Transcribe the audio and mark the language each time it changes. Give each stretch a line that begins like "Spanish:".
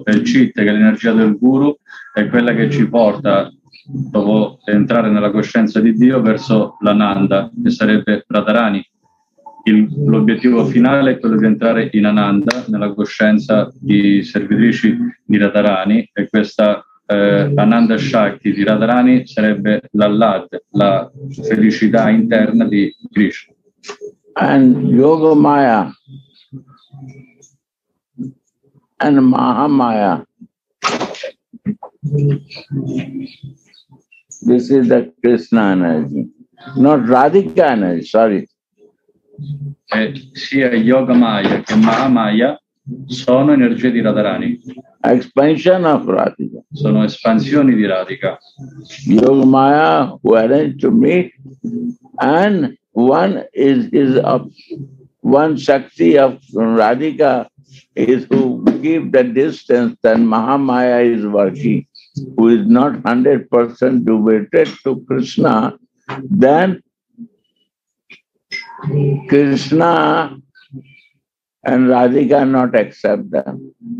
Italian: E il Chit, che è l'energia del Guru, è quella che ci porta, dopo entrare nella coscienza di Dio, verso l'Ananda, che sarebbe Radharani. L'obiettivo finale è quello di entrare in Ananda, nella coscienza di servitrici di Radharani, e questa Ananda Shakti di Radharani sarebbe l'Allad, la felicità interna di Krishna.
English: And Yogamaya and Mahamaya, this is the Krishna energy, not Radhika energy, sorry.
Italian: Sia Yogamaya che Mahamaya sono energie di Radharani.
English: Expansion of Radhika.
Italian: Sono espansioni di Radhika.
English: Yogamaya who arranged to meet, and one is his of one Shakti of Radhika is who keep the distance, and Mahamaya is working, who is not 100% devoted to Krishna, then Krishna and Radhika not accept them.